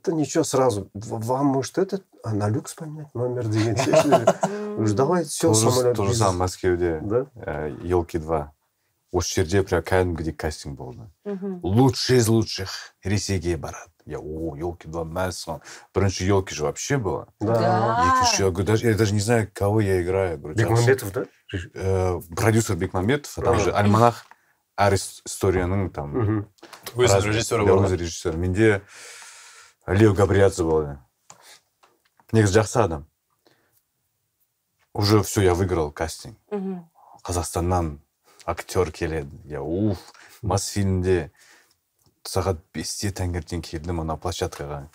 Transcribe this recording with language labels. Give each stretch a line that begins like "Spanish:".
Russian: Да ничего, сразу, вам может этот, на люкс поменять номер
Kazakh: деген.
Russian: Уже давай, все, самолет. Тоже сам в Москве, «Елки-2».
Kazakh: Осы жерде прям кәдімгідей кастинг болды.
Russian: Лучший из лучших
Kazakh: ресейге барады.
Russian: Я, о, елки-2 мәс.
Kazakh: Бірінші
Russian: елки же вообще было. Да.
Kazakh: Екінші,
Russian: я говорю, я даже не знаю, кого я играю. Бекмамбетов, да? Продюсер Бекмамбетов, а там же Альманах.
Kazakh: әр историяның там өз режиссері болды. Өз режиссері. Менде Лео Габриадзе болды. Негіз жақсы адам.
Russian: Уже все, я выиграл кастинг.
Kazakh: Қазақстаннан актер келеді. Я уф, Мосфильмде сағат 5-те таңертең келдім ана площадкаға.